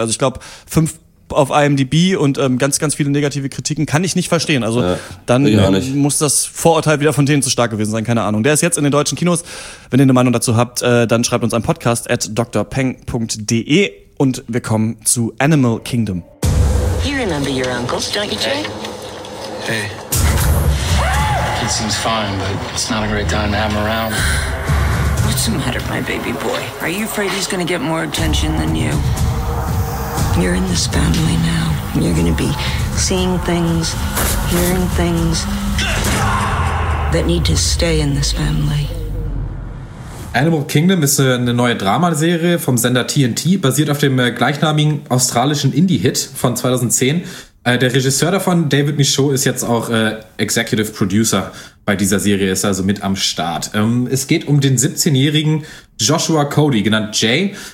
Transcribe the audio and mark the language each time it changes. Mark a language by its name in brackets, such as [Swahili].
[German] Also ich glaube, 5 auf IMDb und ganz, ganz viele negative Kritiken kann ich nicht verstehen. Also dann muss das Vorurteil wieder von denen zu stark gewesen sein, keine Ahnung. Der ist jetzt in den deutschen Kinos. Wenn ihr eine Meinung dazu habt, dann schreibt uns an podcast@drpeng.de und wir kommen zu Animal Kingdom. [English] You remember your uncles, don't you, Jay? Hey. Kid seems fine, but it's not a great time to have him around. What's the matter, my baby boy? Are you afraid he's gonna get more attention than you? You're in this family now. You're gonna be seeing things, hearing things that need to stay in this family. [German] Animal Kingdom ist eine neue Dramaserie vom Sender TNT, basiert auf dem gleichnamigen australischen Indie-Hit von 2010. Der Regisseur davon, David Michaud, ist jetzt auch Executive Producer bei dieser Serie, ist also mit am Start. Es geht um den 17-jährigen Joshua Cody, genannt Jay,